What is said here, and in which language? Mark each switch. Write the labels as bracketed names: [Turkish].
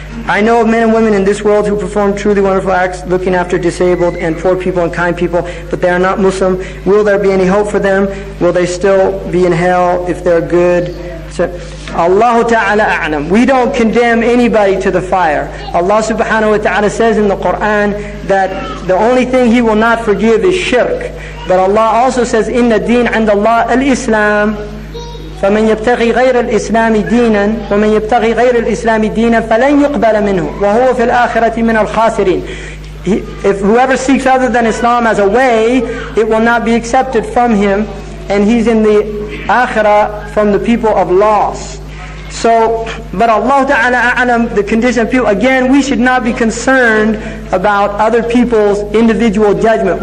[English] I know of men and women in this world who perform truly wonderful acts, looking after disabled and poor people and kind people, but they are not Muslim. Will there be any hope for them? Will they still be in hell if they're good? So, Allahu Ta'ala A'lam. We don't condemn anybody to the fire. Allah Subhanahu Wa Ta'ala says in the Qur'an that the only thing He will not forgive is shirk. But Allah also says, [Arabic] إِنَّ الدِّينَ عِنْدَ اللَّهِ الْإِسْلَامِ فَمَنْ يَبْتَغِي غَيْرَ الْإِسْلَامِ دِينًا وَمَنْ يَبْتَغِي غَيْرَ الْإِسْلَامِ دِينًا فَلَنْ يُقْبَلَ مِنْهُ وَهُوَ فِي الْآخِرَةِ مِنَ الْخَاسِرِينَ. [English] If whoever seeks other than Islam as a way, it will not be accepted from him, and he's in the Akhirah from the people of loss. So, but Allah Ta'ala A'lam, the condition of people, again, we should not be concerned about other people's individual judgment.